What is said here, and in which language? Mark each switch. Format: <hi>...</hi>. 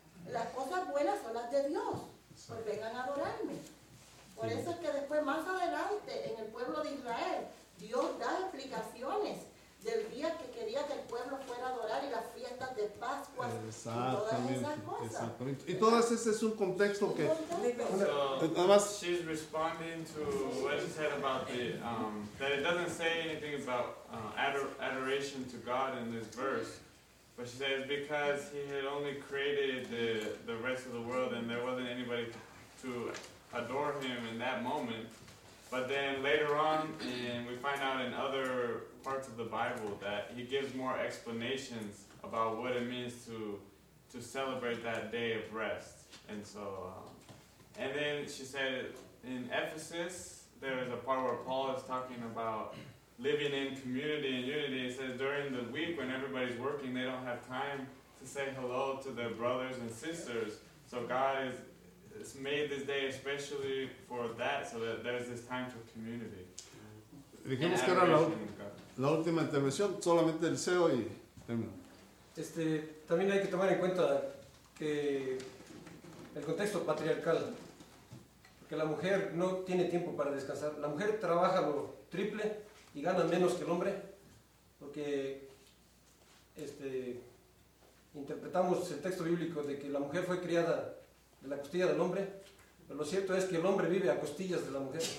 <es>Las cosas buenas son las de Dios. Exacto. Pues vengan a adorarme. Por eso es que después, más adelante, en el pueblo de Israel, Dios da explicaciones del día que quería que el pueblo fuera a adorar y las fiestas de Pascua y todas esas cosas. Exactamente. Y todo ese es un contexto que...</es> <en>So, she's responding to what she said about the... that it doesn't say anything about adoration to God in this verse. But she says because he had only created the rest of the world and there wasn't anybody to adore him in that moment. But then later on, and we find out in other parts of the Bible that he gives more explanations about what it means to celebrate that day of rest. And so, and then she said in Ephesus, there is a part where Paul is talking about living in community and unity. He says during the week when everybody's working, they don't have time to say hello to their brothers and sisters. So God is... It's made this day especially for that, so that there's this time for community.</en> <es>Dijimos que era la última intervención, solamente el CEO y termino. También hay que tomar en cuenta que el contexto patriarcal, porque la mujer no tiene tiempo para descansar. La mujer trabaja lo triple y gana menos que el hombre, porque interpretamos el texto bíblico de que la mujer fue criada de la costilla del hombre, pero lo cierto es que el hombre vive a costillas de la mujer.</es>